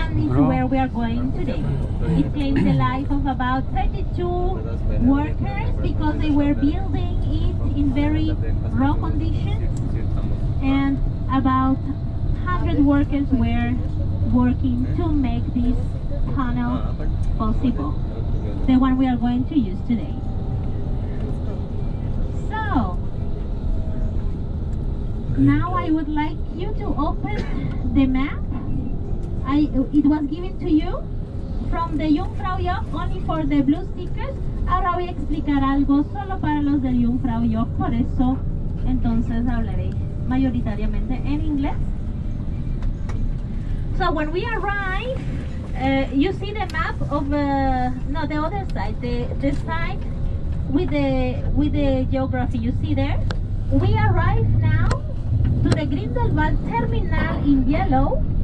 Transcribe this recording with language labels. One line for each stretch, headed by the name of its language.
English: Is where we are going today. It claimed the life of about 32 workers because they were building it in very raw conditions, and about 100 workers were working to make this tunnel possible, the one we are going to use today. So now I would like you to open the map. It was given to you from the Jungfrau Joch only for the blue stickers.
Spanish: Ahora voy a explicar algo solo para los del Jungfrau Joch, por eso entonces hablaré mayoritariamente en inglés.
English: So when we arrive, you see the map of no, the other side, the side with the geography you see there. We arrive now to the Grindelwald terminal in yellow.